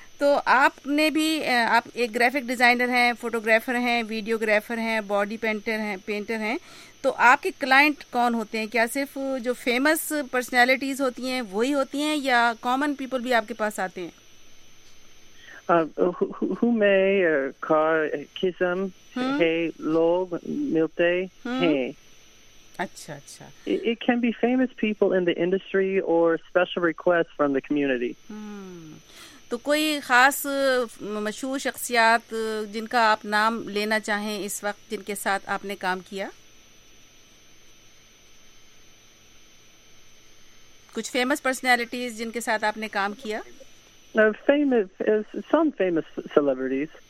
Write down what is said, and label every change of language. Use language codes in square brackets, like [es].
[ur] تو آپ نے بھی, آپ ایک گرافک ڈیزائنر ہیں, فوٹوگرافر ہیں, ویڈیو گرافر ہیں, باڈی پینٹر ہیں, تو آپ کے کلائنٹ کون ہوتے ہیں؟ کیا صرف جو فیمس پرسنالٹیز ہوتی ہیں وہی ہوتی ہیں یا کامن پیپل بھی آپ کے پاس آتے ہیں؟ میں ہر قسم کے لوگ ملتے ہیں. اچھا, [en] it can be famous people in the industry or special requests from the community. [ur] تو کوئی خاص مشہور شخصیات جن کا آپ نام لینا چاہیں اس وقت جن کے ساتھ آپ نے کام کیا, کچھ فیمس پرسنالٹیز جن کے ساتھ آپ نے کام کیا؟ [en] Some famous celebrities.